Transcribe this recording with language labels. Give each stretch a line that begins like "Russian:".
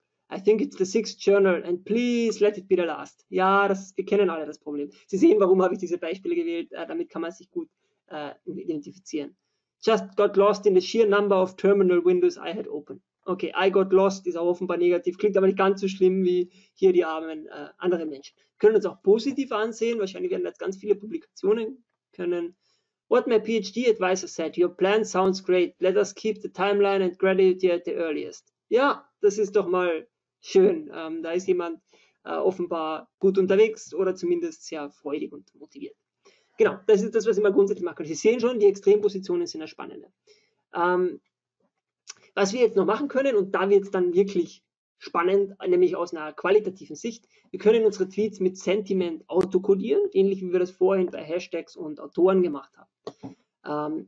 English: I think it's the sixth journal and please let it be the last.
German: Ja, wir kennen alle das Problem. Sie sehen, warum habe ich diese Beispiele gewählt? Damit kann man sich gut identifizieren.
English: Just got lost in the sheer number of terminal windows I had open.
German: Okay,
English: I got lost
German: ist auch offenbar negativ, klingt aber nicht ganz so schlimm wie hier die armen anderen Menschen. Können uns auch positiv ansehen, wahrscheinlich werden jetzt ganz viele Publikationen können.
English: What my PhD advisor said, your plan sounds great, let us keep the timeline and graduate at the earliest.
German: Ja, das ist doch mal schön, da ist jemand offenbar gut unterwegs oder zumindest sehr freudig und motiviert. Genau, das ist das, was ich mal grundsätzlich machen kann. Sie sehen schon, die Extrempositionen sind das Spannende. Was wir jetzt noch machen können, und da wird es dann wirklich spannend, nämlich aus einer qualitativen Sicht, wir können unsere Tweets mit Sentiment autokodieren, ähnlich wie wir das vorhin bei Hashtags und Autoren gemacht haben.